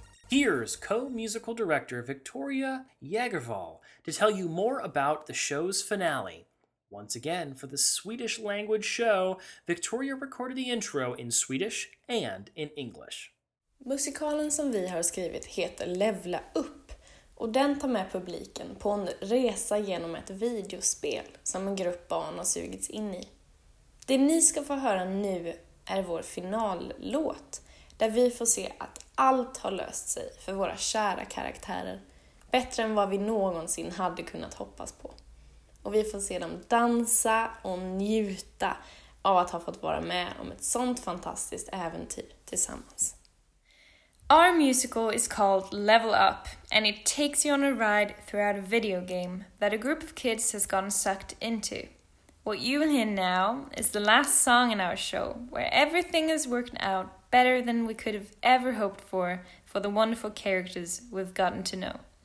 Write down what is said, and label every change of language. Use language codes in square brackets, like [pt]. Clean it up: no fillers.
[en] Here's co-musical director Victoria Jägervall to tell you more about the show's finale. Once again, for the Swedish language show, Victoria recorded the intro in Swedish and in English. [sv] Musikalen som vi har skrivit heter Levla Upp, och den tar med publiken på en resa genom ett videospel som en grupp barn har sugits in i. Det ni ska få höra nu är vår finallåt, där vi får se att allt har löst sig för våra kära karaktärer, bättre än vad vi någonsin hade kunnat hoppas på. Och vi får se dem dansa och njuta av att ha fått vara med om ett sånt fantastiskt äventyr tillsammans. [en] Our musical is called Level Up, and it takes you on a ride throughout a video game that a group of kids has gotten sucked into. What you will hear now is the last song in our show, where everything has worked out better than we could have ever hoped for the wonderful characters we've gotten to know.